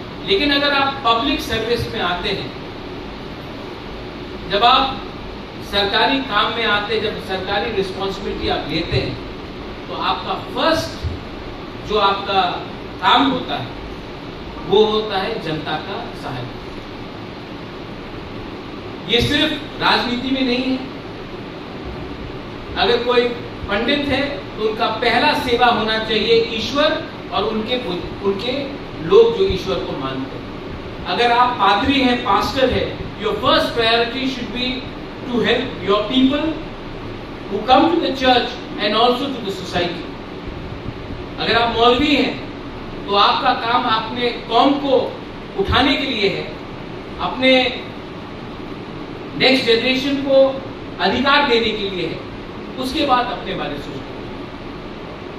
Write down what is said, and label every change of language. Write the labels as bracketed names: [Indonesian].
[Hindi] लेकिन अगर आप पब्लिक सर्विस में आते हैं, जब आप सरकारी काम में आते, जब सरकारी रिस्पॉन्सिबिलिटी आप लेते हैं, तो आपका फर्स्ट जो आपका काम होता है वो होता है जनता का सहायता। ये सिर्फ राजनीति में नहीं है, अगर कोई पंडित है तो उनका पहला सेवा होना चाहिए ईश्वर और उनके उनके लोग जो ईश्वर को मानते हैं। अगर आप पादरी हैं, पास्टर है, [English] Your first priority should be to help your people who come to the church and also to the society. [Hindi] अगर आप मौलवी हैं तो आपका काम अपने कौम को उठाने के लिए है, अपने next generation को अधिकार देने के लिए है, उसके बाद अपने बारे सोचो।